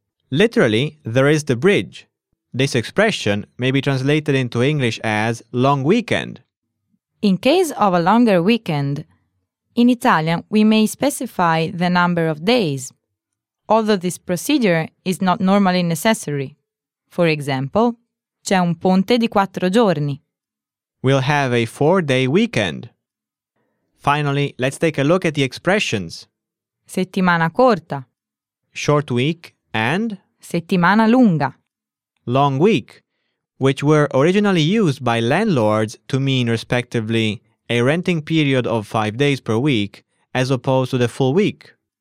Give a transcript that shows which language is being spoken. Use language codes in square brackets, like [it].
[en] Literally, there is the bridge. This expression may be translated into English as long weekend. In case of a longer weekend, in Italian we may specify the number of days, although this procedure is not normally necessary. For example, [it] c'è un ponte di quattro giorni. [en] We'll have a four-day weekend. Finally, let's take a look at the expressions. [it] Settimana corta. [en] Short week and [it] settimana lunga. [en] Long week, which were originally used by landlords to mean respectively a renting period of 5 days per week as opposed to the full week.